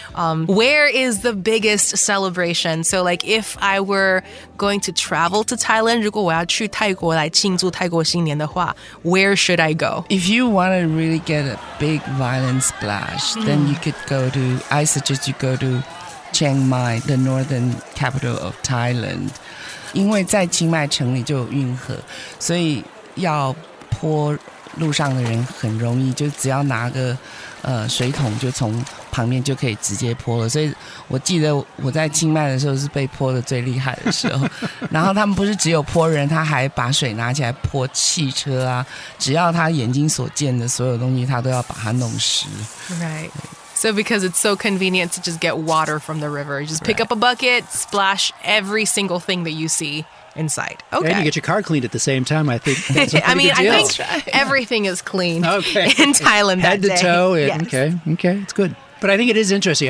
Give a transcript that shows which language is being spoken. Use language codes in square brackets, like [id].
[en] Where is the biggest celebration? So like if I were going to travel to Thailand, 如果我要去泰国来庆祝泰国新年的话, where should I go? If you want to really get a big violent splash, then you could go to, I suggest you go to Chiang Mai, the northern capital of Thailand. [zh] 因为在清迈城里就有运河，所以要泼路上的人很容易，就只要拿个水桶就从旁边就可以直接泼了。所以我记得我在清迈的时候是被泼的最厉害的时候。然后他们不是只有泼人，他还把水拿起来泼汽车啊，只要他眼睛所见的所有东西，他都要把它弄湿。 [en] Right. So because it's so convenient to just get water from the river. Just pick up a bucket, splash every single thing that you see inside. Okay. And you get your car cleaned at the same time, I think. I mean, I think everything is clean in Thailand that day. Head to toe. Yes. Okay, it's good. But I think it is interesting.